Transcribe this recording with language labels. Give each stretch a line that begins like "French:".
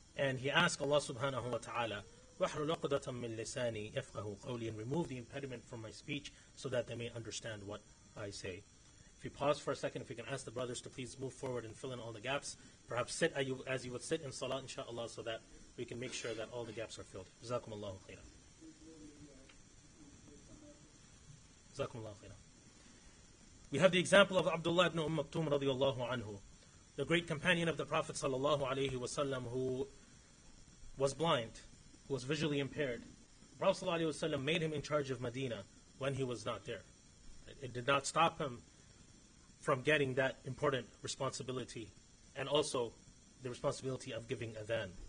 English: And he asked Allah subhanahu wa ta'ala,
Arabic: وَحْرُ لَقْدَةً مِّن لِسَانِي يَفْقَهُ قَوْلِي,
English: and remove the impediment from my speech so that they may understand what I say. If you pause for a second, if we can ask the brothers to please move forward and fill in all the gaps, perhaps sit as you would sit in salat, inshaAllah, so that we can make sure that all the gaps are filled.
Arabic: جزاكم الله خيرا. جزاكم الله خيرا.
English: We have the example of Abdullah ibn Maktum radiallahu anhu, the great companion of the Prophet sallallahu alayhi wa sallam, who was blind, who was visually impaired. The Prophet sallallahu alayhi wa sallam made him in charge of Medina when he was not there. It did not stop him from getting that important responsibility and also the responsibility of giving adhan.